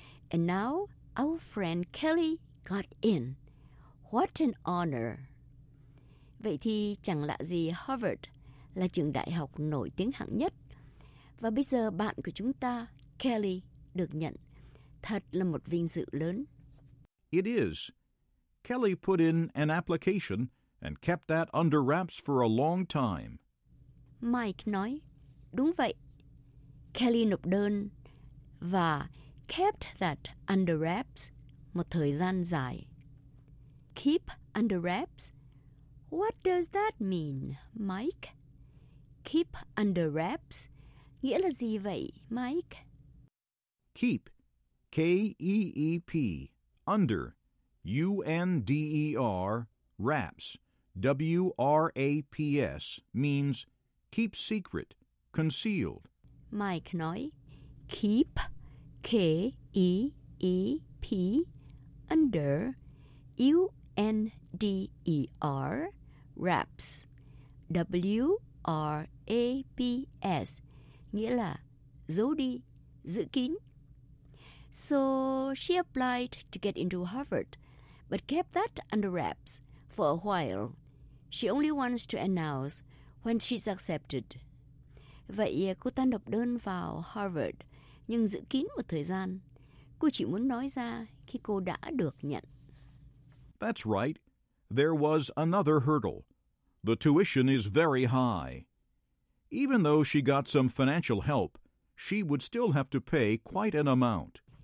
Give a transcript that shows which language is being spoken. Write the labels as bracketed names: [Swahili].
[English] And now our friend Kelly got in. What an honor. [Vietnamese] Vậy thì chẳng lạ gì Harvard là trường đại học nổi tiếng hạng nhất. Và bây giờ bạn của chúng ta, Kelly, được nhận. Thật là một vinh dự lớn. [English] It is. Kelly put in an application and kept that under wraps for a long time. [Vietnamese] Mike nói, đúng vậy. Kelly nộp đơn và kept that under wraps một thời gian dài. [English] Keep under wraps? What does that mean, Mike? [Vietnamese] Keep under wraps nghĩa là gì vậy, Mike? [English] Keep, K-E-E-P, under, U-N-D-E-R, wraps. W-R-A-P-S means keep secret, concealed. [Vietnamese] Mike nói, keep, K-E-E-P, under, U-N-D-E-R, wraps. W-R-A-P-S, nghĩa là giấu đi, giữ kín. [English] So she applied to get into Harvard, but kept that under wraps for a while. She only wants to announce when she's accepted. [Vietnamese] Vậy cô ta nộp đơn vào Harvard, nhưng giữ kín một thời gian. Cô chỉ muốn nói ra khi cô đã được nhận. [English] That's right. There was another hurdle. The tuition is very high. Even though she got some financial help, she would still have to pay quite an amount.